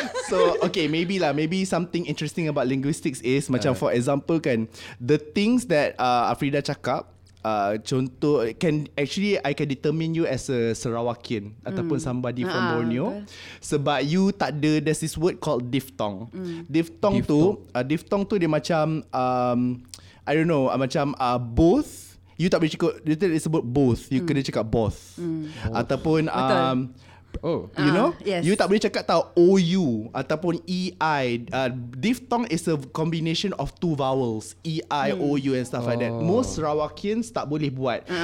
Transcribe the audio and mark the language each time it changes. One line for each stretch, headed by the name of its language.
English: So okay, maybe
Malay: lah,
English: maybe something interesting about linguistics is
Malay: macam
English: for example
Malay: kan,
English: the things that Afrida
Malay: cakap, contoh,
English: can actually I can determine you as a Sarawakian
Malay: ataupun
English: somebody from Borneo,
Malay: sebab
English: you
Malay: tak ada,
English: there's this word called diphthong.
Malay: Diphthong tu, diphthong tu dia macam
English: I don't know,
Malay: macam both. You tak boleh cakap, you tak boleh sebut both. You kena cakap both. Ataupun
English: you know, yes.
Malay: You tak boleh cakap tau OU ataupun EI.
English: Diphthong is a combination of two vowels, EI, OU and stuff like that. Most
Malay: Sarawakians tak boleh buat.